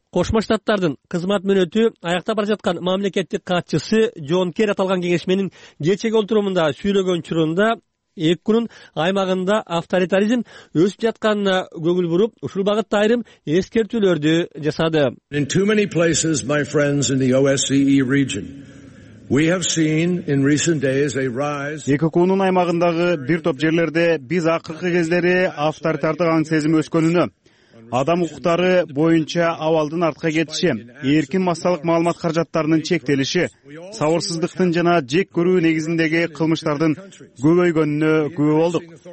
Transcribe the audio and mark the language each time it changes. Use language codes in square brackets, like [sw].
[ky] Кошмо Штаттардын кызмат мөөнөтү аяктап бара жаткан мамлекеттик катчысы Джон Керри аталган кеңешменин кечеги отурумунда сүйлөгөн учурунда эки күнүн аймагында авторитаризм өсүп жатканына көңүл буруп, ушул багытта айрым эскертүүлөрдү жасады. [en] In too many places, my friends, in the OSCE region, we have seen in recent days a rise. [ky] Эки күнүн аймагындагы бир топ жерлерде биз акыркы кездери авторитардык сезим өскөнүнө, адам укуктары боюнча абалдын артка кетиши, эркин массалык маалымат каражаттарынын чектелиши, сабырсыздыктын жана жек көрүү негизиндеги кылмыштардын көбөйгөнүнө күбө болдук.